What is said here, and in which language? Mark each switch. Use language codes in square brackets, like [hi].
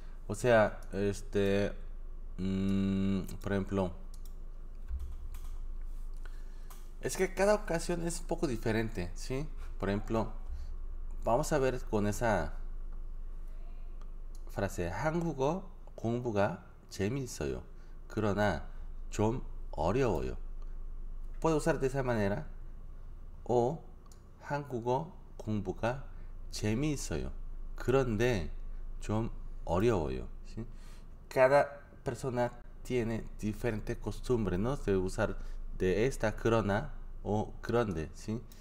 [es] O sea, por ejemplo, es que cada ocasión es un poco diferente, ¿sí? Por ejemplo, vamos a ver con esa frase, [ko] 한국어 공부가 재미있어요. 그러나 좀 어려워요. [es] Puede usar de esa manera. [ko] O 한국어 공부가 재미있어요. 그런데 좀 어려워요. ¿Sí? [es] Cada persona tiene diferente costumbre, ¿no? De usar de esta 그러나 o 그런데, ¿sí?